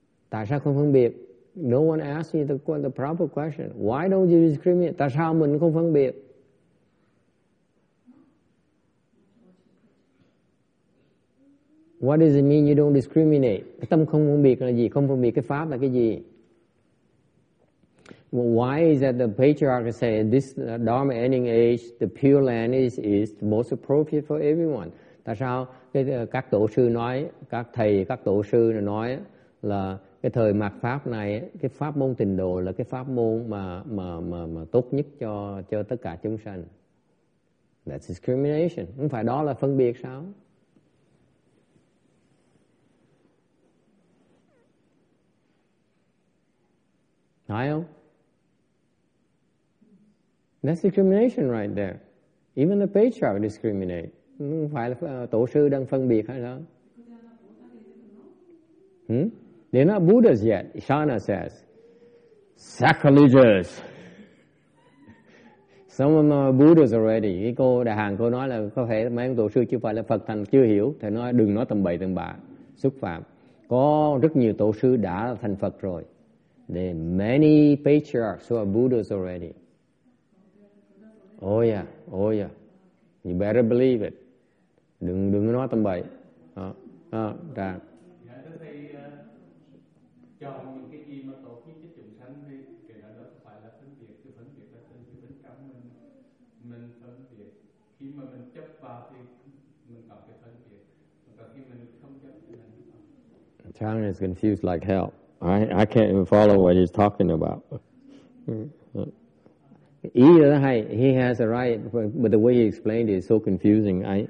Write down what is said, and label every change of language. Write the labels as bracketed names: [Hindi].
[Vietnamese] Tại sao không phân biệt? [English] No one asks me the proper question. Why don't you discriminate? [Vietnamese] Tại sao mình không phân biệt? [English] What does it mean you don't discriminate? [Vietnamese] Cái tâm không phân biệt là gì? Không phân biệt cái pháp là cái gì? [English] Well, why is that the patriarch say this Dharma ending age, the pure land is most appropriate for everyone? [Vietnamese] Tại sao các tổ sư nói, các thầy, các tổ sư nói là cái thời mạt pháp này, cái pháp môn tịnh độ là cái pháp môn mà tốt nhất cho tất cả chúng sanh? [English] That's discrimination. [Vietnamese] Không phải đó là phân biệt sao? Thấy không? [English] That's discrimination right there. Even the patriarch discriminate. [Vietnamese] Không phải là tổ sư đang phân biệt hay sao? [English] They're not Buddhas yet, Ishana says. Sacrilegious. Some of them are Buddhas already. [Vietnamese] Cái cô Đại Hàng cô nói là có thể mấy ông tổ sư chưa phải là Phật thành chưa hiểu. Thầy nói đừng nói tầm bậy tầm bạ, xúc phạm. Có rất nhiều tổ sư đã thành Phật rồi. [English] There are many patriarchs who are Buddhas already. Oh yeah, oh yeah. You better believe it. [Vietnamese] Đừng nói tầm bậy. Dạ. Dạ, thưa thầy, cho những cái gì mà tốt nhất cho chúng sanh thì cái đó nó phải là phân biệt, cái phân biệt là tên chứ bên trong mình phân biệt. Khi mà mình chấp vào thì mình có cái phân biệt. Còn khi mình không chấp thì mình không. [English] Chang is confused like hell. I can't even follow what he's talking about. He has a right, but the way he explained it is so confusing.